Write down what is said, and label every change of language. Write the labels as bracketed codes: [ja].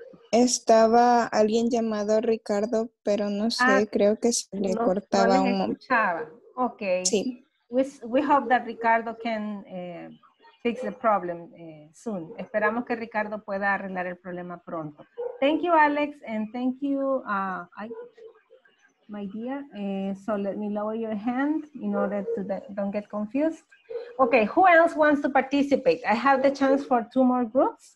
[es] Estaba alguien llamado Ricardo, pero no sé, creo que se le cortaba un momento. No escuchaba. Ok. Sí. [en] We hope that Ricardo can fix the problem soon. [es] Esperamos que Ricardo pueda arreglar el problema pronto. [en] Thank you, Alex, and thank you, my dear. So let me lower your hand in order to don't get confused. Okay, who else wants to participate? I have the chance for two more groups.